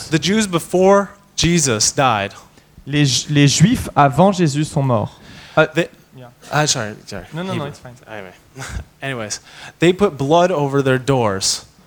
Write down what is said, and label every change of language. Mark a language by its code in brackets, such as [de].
[en] The Jews before Jesus died. [fr] Les Juifs avant Jésus sont morts. [en] No, it's fine. Anyway. Anyways, they put blood over their doors.